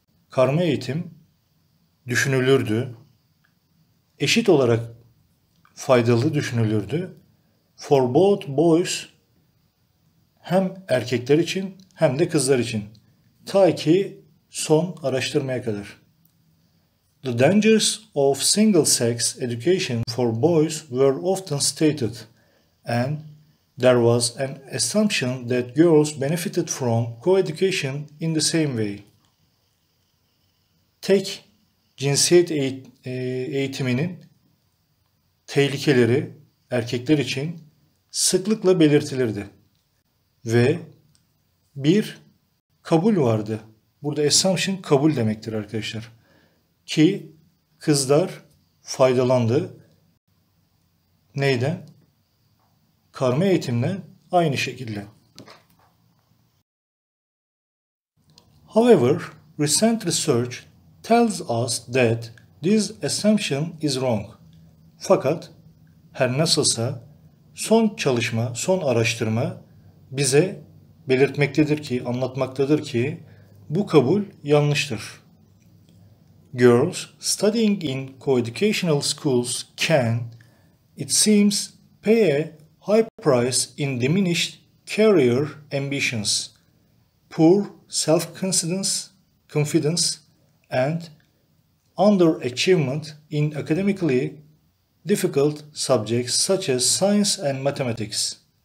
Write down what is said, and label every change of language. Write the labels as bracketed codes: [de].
[tr] Karma eğitim düşünülürdü. Eşit olarak faydalı düşünülürdü. [en] For both boys, [tr] hem erkekler için hem de kızlar için. Ta ki son araştırmaya kadar. [en] The dangers of single-sex education for boys were often stated and there was an assumption that girls benefited from co-education in the same way. [tr] Tek cinsiyet eğitiminin tehlikeleri erkekler için sıklıkla belirtilirdi ve bir kabul vardı. Burada assumption kabul demektir arkadaşlar. Ki kızlar faydalandı. Neyden? Karma eğitimle aynı şekilde. [en] However, recent research tells us that this assumption is wrong. [tr] Fakat her nasılsa son çalışma, son araştırma bize belirtmektedir ki, anlatmaktadır ki bu kabul yanlıştır. [en] Girls studying in co-educational schools can, it seems, pay a high price in diminished career ambitions, poor self-confidence, and underachievement in academically difficult subjects such as science and mathematics.